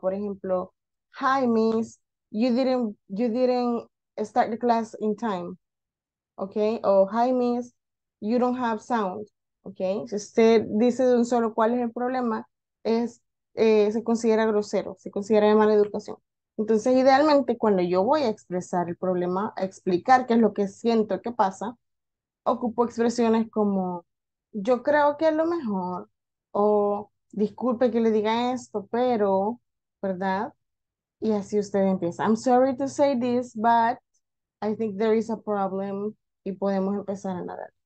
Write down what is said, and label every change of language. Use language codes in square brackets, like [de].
[es] Por ejemplo, [en] hi, miss, you didn't start the class in time. Okay, o hi, miss, you don't have sound. Okay. [es] Si usted dice de un solo cuál es el problema, se considera grosero, se considera de mala educación. Entonces, idealmente, cuando yo voy a expresar el problema, a explicar qué es lo que siento que pasa, ocupo expresiones como yo creo que es lo mejor, o disculpe que le diga esto, pero, ¿verdad? Y así usted empieza. [en] I'm sorry to say this, but I think there is a problem [es] y podemos empezar a nadar.